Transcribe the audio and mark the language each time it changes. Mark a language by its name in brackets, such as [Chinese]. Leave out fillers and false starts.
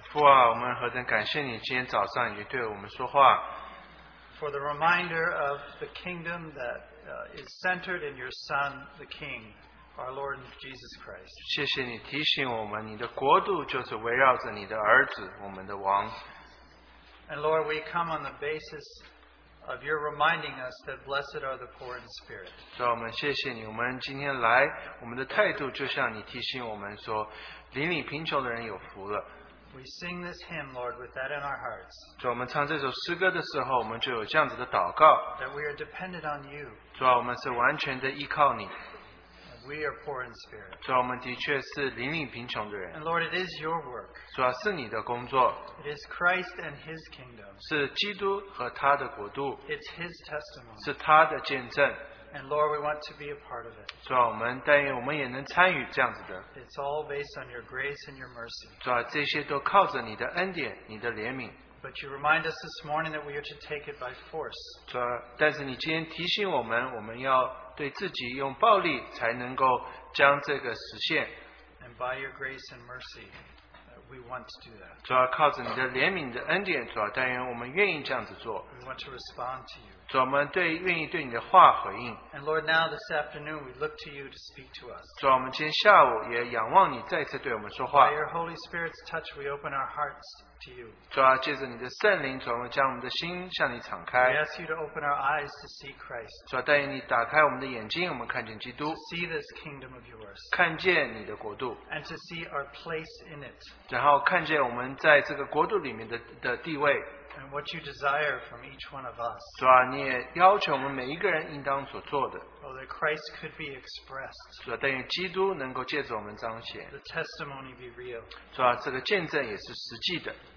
[Chinese] 父啊，我们何等感谢你今天早上也对我们说话。 [English] For the reminder of the kingdom that is centered in your Son, the King, our Lord Jesus Christ. [Chinese] 谢谢你提醒我们，你的国度就是围绕着你的儿子，我们的王。 [English] And Lord, we come on the basis of your reminding us that blessed are the poor in spirit. [Chinese] 主啊，我们谢谢你，我们今天来，我们的态度就像你提醒我们说。邻里贫穷的人有福了。 [English] We sing this hymn, Lord, with that in our hearts. [Chinese] 主，我们唱这首诗歌的时候，我们就有这样子的祷告。 [English] That we are dependent on you. [Chinese] 主，我们是完全的依靠你。 [English] We are poor in spirit. [Chinese] 主，我们的确是邻里贫穷的人。 [English] And Lord, it is your work. [Chinese] 主，是你的工作。 [English] It is Christ and His kingdom. [Chinese] 是基督和他的国度。 [English] It's His testimony. [Chinese] 是他的见证。 [English] And Lord, we want to be a part of it. [Chinese] 主啊，我们但愿我们也能参与这样子的。 [English] It's all based on your grace and your mercy. [Chinese] 主啊，这些都靠着你的恩典，你的怜悯。 [English] But you remind us this morning that we are to take it by force. [Chinese] 主啊，但是你今天提醒我们，我们要对自己用暴力才能够将这个实现。 [English] And by your grace and mercy, we want to do that. [Chinese] 主啊，靠着你的怜悯的恩典，主啊，但愿我们愿意这样子做。 [English] We want to respond to you. [Chinese] 主，我们对愿意对你的话回应。 [English] And Lord, now this afternoon we look to you to speak to us. [Chinese] 主，我们今天下午也仰望你再次对我们说话。 [English] By your Holy Spirit's touch, we open our hearts to you. [Chinese] 主啊，借着你的圣灵，主，我们将我们的心向你敞开。 [English] We ask you to open our eyes to see Christ. [Chinese] 主啊，但愿你打开我们的眼睛，我们看见基督。 [English] See this kingdom of yours. [Chinese] 看见你的国度。 [English] And to see our place in it. [Chinese] 然后看见我们在这个国度里面的地位。 [English] And what you desire from each one of us. [Chinese] 主啊，你也要求我们每一个人应当所做的。 [English] Oh, that Christ could be expressed. [Chinese] 主啊，但愿基督能够借着我们彰显。 [English] The testimony be real. [Chinese] 主啊，这个见证也是实际的。